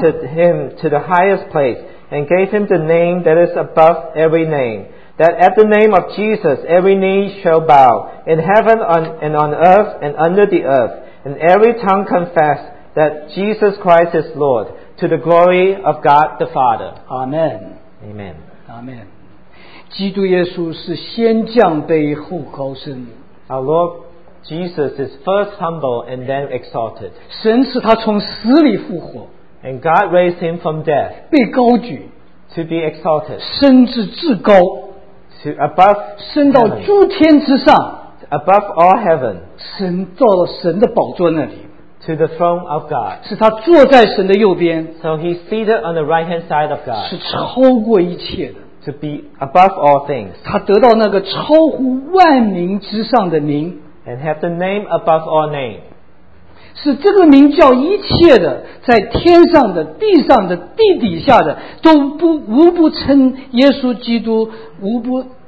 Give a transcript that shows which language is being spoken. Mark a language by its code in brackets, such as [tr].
[en] God exalted him to the highest place and gave him the name that is above every name. That at the name of Jesus, every knee shall bow, in heaven and on earth and under the earth, and every tongue confess that Jesus Christ is Lord, to the glory of God the Father. Amen. Amen. Amen. [zh] 基督耶稣是先降卑后高升。 [en] Our Lord Jesus is first humble and then exalted. [zh] 神使他从死里复活。 [en] And God raised him from death. [zh] 被高举。 [en] To be exalted. [zh] 升至至高。 [en] To above [zh] 升到诸天之上, [en] above all heaven, [zh] 神到了神的宝座那里, [en] to the throne of God, [zh] 是他坐在神的右边, [en] so he's seated on the right hand side of God, [zh] 是超过一切的, [en] to be above all things, [zh] 他得到那个超乎万名之上的名, [en] and have the name above all names, [zh] 是这个名叫一切的在天上的地上的地底下的都不无不称耶稣基督无不